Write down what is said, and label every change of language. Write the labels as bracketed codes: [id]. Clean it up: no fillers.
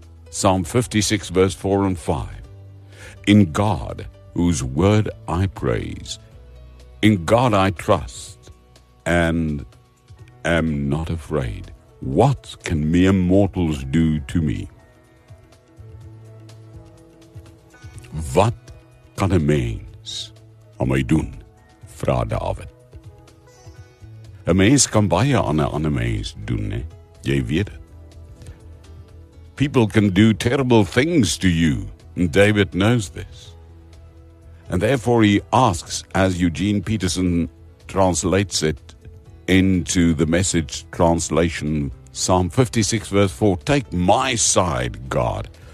[en] Psalm 56, verse 4 and 5. In God, whose word I praise, in God I trust, and am not afraid. What can mere mortals do to me? [af] Wat kan 'n mens aan my doen? Vra David. 'N mens kan baie aan 'n ander mens doen, nee? Jy weet het. [en] People can do terrible things to you, and David knows this. And therefore he asks, as Eugene Peterson translates it into the Message translation, Psalm 56 verse 4, take my side, God.